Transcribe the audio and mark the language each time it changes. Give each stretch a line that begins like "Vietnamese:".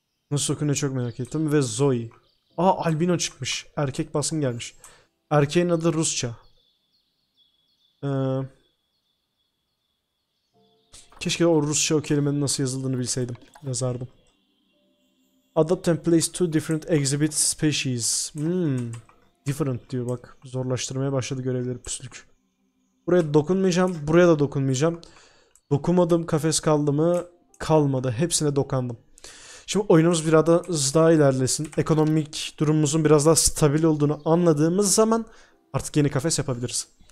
Turkish: Nasıl okunuyor çok merak ettim. Ve Zoe. Aa, albino çıkmış. Erkek basın gelmiş. Erkeğin adı Rusça. Keşke o Rusça o kelimenin nasıl yazıldığını bilseydim. Yazardım.
English: Adapt and place two different exhibit species.
Turkish: Different diyor bak. Zorlaştırmaya başladı görevleri, püslük. Buraya dokunmayacağım. Buraya da dokunmayacağım. Dokunmadım, kafes kaldı mı? Kalmadı. Hepsine dokandım. Şimdi oyunumuz biraz daha hızlı ilerlesin. Ekonomik durumumuzun biraz daha stabil olduğunu anladığımız zaman artık yeni kafes yapabiliriz.